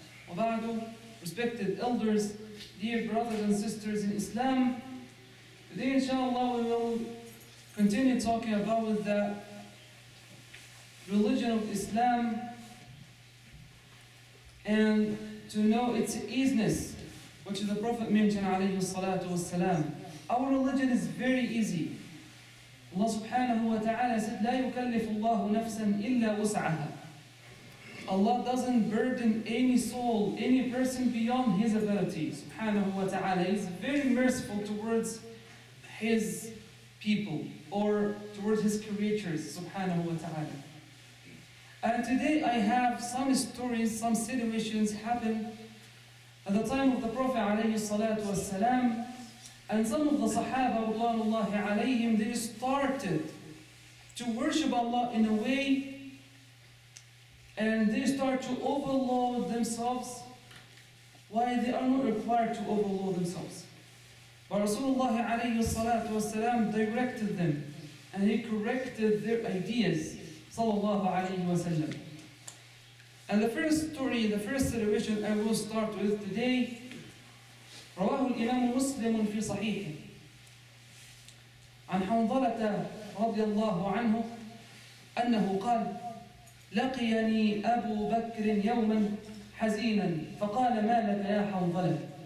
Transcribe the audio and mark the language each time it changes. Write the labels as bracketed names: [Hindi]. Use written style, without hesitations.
[English] Wa ba'du, respected elders, dear brothers and sisters in Islam, today, inshallah, we will continue talking about the religion of Islam and to know its easiness, which the Prophet mentioned, alayhi salatu wasalam. Our religion is very easy. Allah subhanahu wa ta'ala said, [Arabic] لا يكلف الله نفسا إلا وسعها. [English] Allah doesn't burden any soul, any person beyond his ability. Subhanahu wa ta'ala is very merciful towards His people, or towards His creatures, subhanahu wa ta'ala. And today I have some stories, some situations happened at the time of the Prophet alayhi salatu wasalam, and some of the Sahaba radhiyallahu alayhim, they started to worship Allah in a way, and they start to overload themselves why they are not required to overload themselves. But Rasulullah alayhi salatu wasalam directed them and he corrected their ideas sallallahu alayhi wasalam. And the first story, the first situation I will start with today, [Arabic] رواه الإمام مسلم في صحيح عن حنظلة رضي الله عنه أنه قال لقيني أبو بكر يوما حزينا فقال ما لك يا حنظلة؟